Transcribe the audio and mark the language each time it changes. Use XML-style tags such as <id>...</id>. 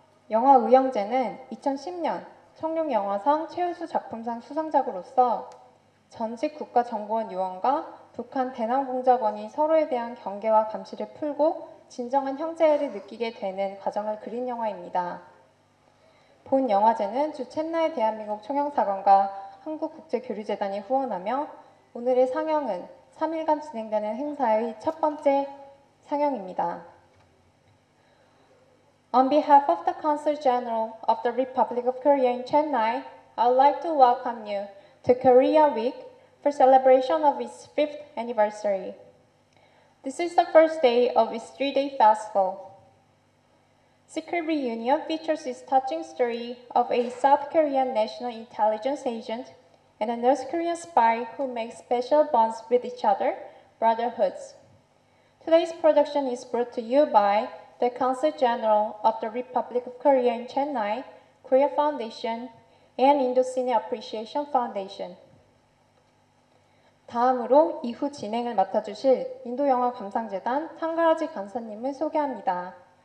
<ko>영화 의형제는 2010년 청룡영화상 최우수 작품상 수상작으로서 전직 국가정보원 요원과 북한 대남공작원이 서로에 대한 경계와 감시를 풀고 진정한 형제애를 느끼게 되는 과정을 그린 영화입니다. 본 영화제는 주 첸나이 대한민국 총영사관과 한국국제교류재단이 후원하며 오늘의 상영은 3일간 진행되는 행사의 첫 번째 상영입니다.</ko> <en>On behalf of the Consul General of the Republic of Korea in Chennai, I'd like to welcome you to Korea Week for celebration of its 5th anniversary. This is the first day of its 3-day festival. Secret Reunion features its touching story of a South Korean national intelligence agent and a North Korean spy who make special bonds with each other, brotherhoods. Today's production is brought to you by the Consul General of the Republic of Korea in Chennai, Korea Foundation, and Indo-Cine Appreciation Foundation.</en> <ko>다음으로 이후 진행을 맡아주실 인도영화감상재단 탕가라지 간사님을 소개합니다.</ko>